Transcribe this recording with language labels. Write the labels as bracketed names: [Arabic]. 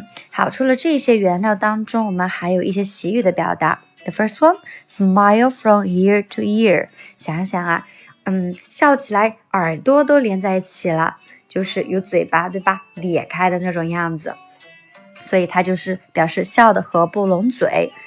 [Chinese] 好，除了这些原料当中，我们还有一些习语的表达。 [English] The first one, smile from ear to ear. [Chinese] 想想啊，笑起来耳朵都连在一起了，就是有嘴巴，对吧？裂开的那种样子。所以它就是表示笑的合不拢嘴。